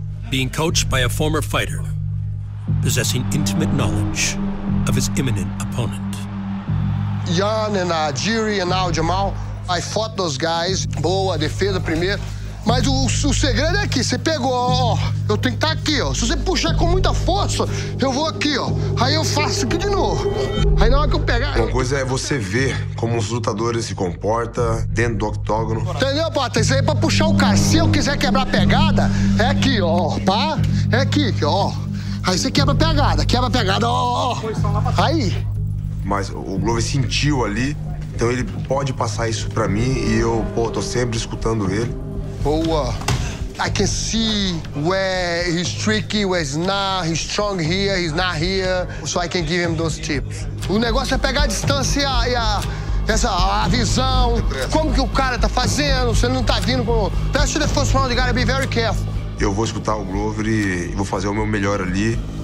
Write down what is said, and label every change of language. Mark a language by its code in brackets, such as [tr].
[en] Being coached by a former fighter, possessing intimate knowledge of his imminent opponent. Jan and Jiri and now Jamahal, I fought those guys. [pt] Boa, defesa primeiro. Mas o segredo é aqui. Você pegou, ó. Eu tenho que estar aqui, ó. Se você puxar com muita força, eu vou aqui, ó. Aí eu faço aqui de novo. Aí na hora que eu pegar... Uma coisa é você ver como os lutadores se comportam dentro do octógono. Entendeu, Pota? Isso aí é pra puxar o cara. Se eu quiser quebrar a pegada, é aqui, ó. Pá? É aqui, ó. Aí você quebra a pegada. Quebra a pegada, ó. Aí. Mas o Glover sentiu ali, então ele pode passar isso pra mim e eu, pô, tô sempre escutando ele. Boa. [en] I can see where he's tricky, where he's not, he's strong here, he's not here, so I can give him those tips. [pt] O negócio é pegar a distância e a visão, como que o cara tá fazendo, se ele não tá vindo com... [en] That's the first round, you gotta be very careful. [pt] Eu vou escutar o Glover e vou fazer o meu melhor ali.